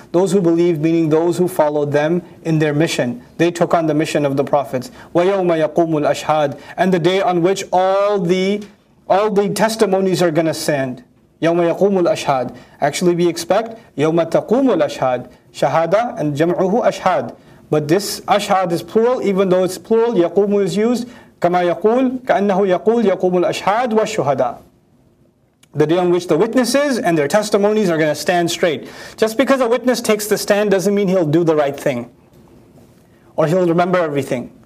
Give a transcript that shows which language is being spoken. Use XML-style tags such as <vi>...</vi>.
<en>Those who believed meaning those who followed them in their mission. They took on the mission of the prophets.</en> <ar>Wa yawma yaqumul ashhad.</ar> <en>And the day on which all the testimonies are going to stand.</en> <ar>يَوْمَ يَقُومُ الْأَشْهَادِ.</ar> <en>Actually we expect</en> <ar>يَوْمَ تَقُومُ الْأَشْهَادِ. شَهَادَ and جَمْعُهُ أَشْهَاد.</ar> <en>But this أَشْهَاد is plural, even though it's plural, يَقُومُ is used.</en> <ar>كَمَا يَقُول كَأَنَّهُ يَقُول يَقُومُ الْأَشْهَادُ وَالشُّهَدَى.</ar> <en>The day on which the witnesses and their testimonies are going to stand straight. Just because a witness takes the stand doesn't mean he'll do the right thing. Or he'll remember everything.</en>